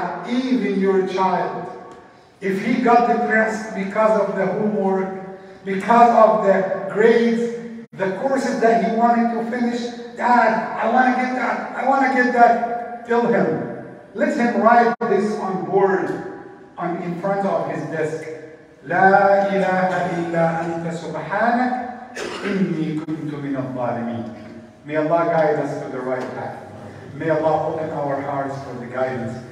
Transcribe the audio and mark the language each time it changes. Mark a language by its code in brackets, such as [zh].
[en] Even your child, if he got depressed because of the homework, because of the grades, the courses that he wanted to finish, Dad, I want to get that, I want to get that. Tell him, let him write this on board I'm in front of his desk. [ar] لا إله إلا أنت سبحانك إني كنت من الظالمين. [en] May Allah guide us to the right path. May Allah open our hearts for the guidance.